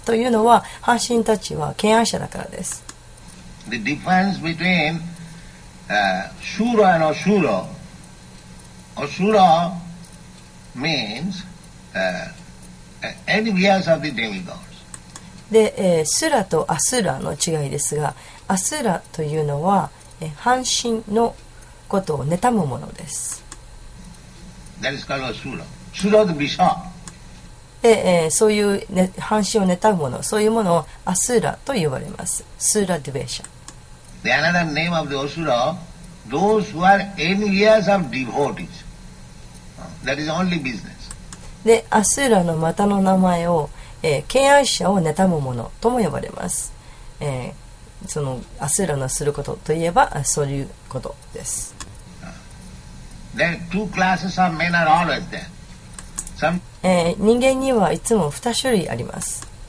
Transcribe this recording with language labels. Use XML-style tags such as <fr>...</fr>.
<ja>というのは半身たちは敬愛者だからです。</ja> <en>The difference between Shura and Asura Asura means envious of the demigods</en> <ja>で、スラとアスラの違いですが、アスラというのは、半身のことを妬むものです。</ja> <en>That is called Asura. Asura the Bisha.</en> <ja>で、そういう、ね、半身を妬むもの、そういうものをアスラと呼ばれます。スラデュベシャ。</ja> <en>The another name of the Asura, those who are envious of devotees. That is only business.</en> <ja>で、アスラのまたの名前を、敬愛者を妬むものとも呼ばれます。そのアスラのすることといえばそういうことです。人間にはいつも2種類あります。</ja>